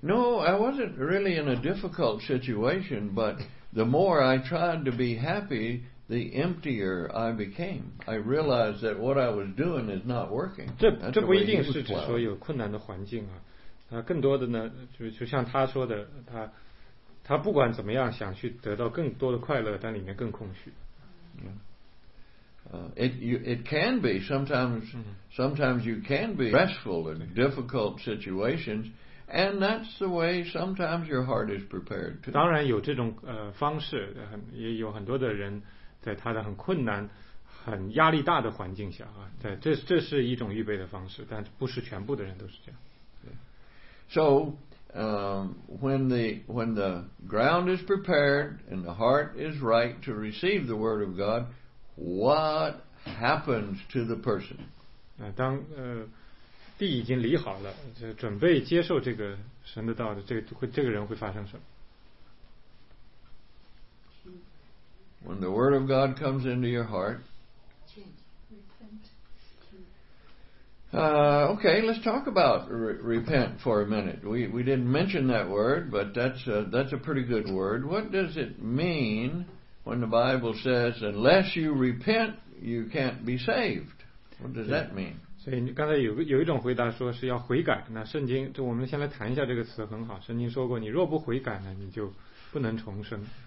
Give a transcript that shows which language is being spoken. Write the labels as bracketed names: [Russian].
[English] No, I wasn't really in a difficult situation, but the more I tried to be happy, the emptier I became. I realized that what I was doing is not working. [Chinese] 这不一定是指说有困难的环境啊，更多的呢，就像他说的，他不管怎么样想去得到更多的快乐，但里面更空虚。 [English] It can be sometimes you can be stressful in difficult situations, and that's the way sometimes your heart is prepared to. [Chinese] 当然有这种方式，也有很多的人在他的很困难、很压力大的环境下啊，在这是一种预备的方式，但不是全部的人都是这样。 [English] So. When the ground is prepared and the heart is right to receive the word of God, what happens to the person? [Chinese] 当地已经犁好了，就准备接受这个神的道的，这个人会发生什么？ [English] When the word of God comes into your heart. Okay, let's talk about repent for a minute. We didn't mention that word, but that's a pretty good word. What does it mean when the Bible says, unless you repent, you can't be saved. What does that mean? [Chinese] 所以刚才有一种回答说是要悔改，那圣经，我们先来谈一下这个词很好，圣经说过，你若不悔改呢，你就不能重生。